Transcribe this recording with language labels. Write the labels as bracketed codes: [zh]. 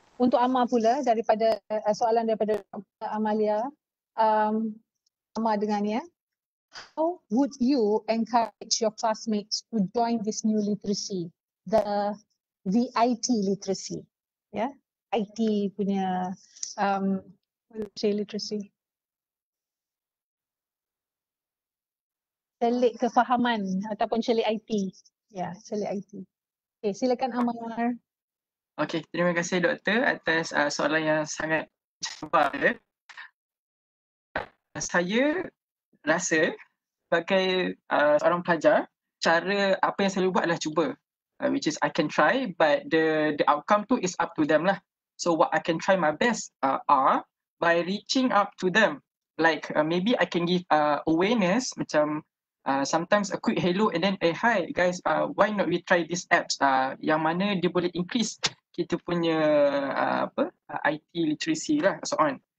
[ms] Untuk Amar pula, daripada soalan daripada Amalia. Amar dengannya. [en] How would you encourage your classmates to join this new literacy, the VIT literacy? Yeah, IT punya literacy. [ms] Celik kefahaman ataupun celik IT. Ya, celik IT. Okay, silakan Amar. Okay, terima kasih doktor atas soalan yang sangat cabar. Saya rasa sebagai seorang pelajar, cara apa yang saya buat adalah cuba. [en] Which is I can try, but the outcome tu is up to them lah. So what I can try my best are by reaching up to them. Like maybe I can give awareness macam sometimes a quick hello and then hi guys, why not we try this apps [ms] yang mana dia boleh [en] increase [ms] kita punya [en] IT literacy lah, so on.